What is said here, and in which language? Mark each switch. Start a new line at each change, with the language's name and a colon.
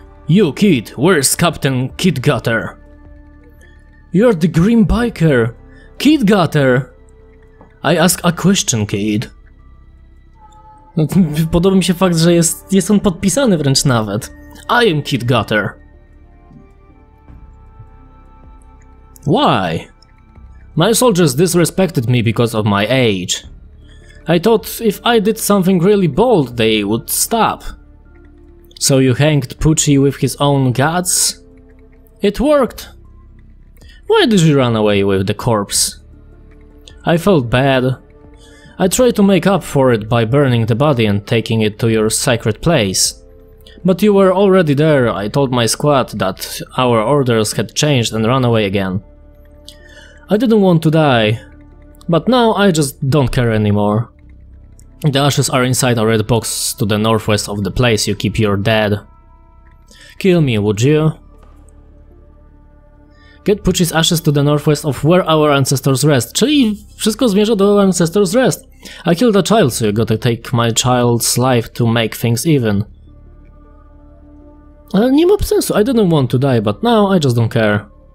English: You kid, where's Captain Kid Gutter? You're the green biker, Kid Gutter. I ask a question, kid.
Polish: Podoba mi się fakt, że jest on podpisany wręcz nawet.
English: I am Kid Gutter. Why? My soldiers disrespected me because of my age. I thought if I did something really bold, they would stop. So you hanged Pucci with his own guts? It worked. Why did you run away with the corpse? I felt bad. I tried to make up for it by burning the body and taking it to your sacred place. But you were already there. I told my squad that our orders had changed and ran away again. I didn't want to die, but now I just don't care anymore. The ashes are inside a red box to the northwest of the place you keep your dead. Kill me, would you? Get Pucci's ashes to the northwest of where our ancestors rest.
Polish: Czyli wszystko zmierza do ancestors rest.
English: I killed a child, so you gotta take my child's life to make things even.
Polish: Nie ma sensu.
English: I didn't want to die, but now I just don't care.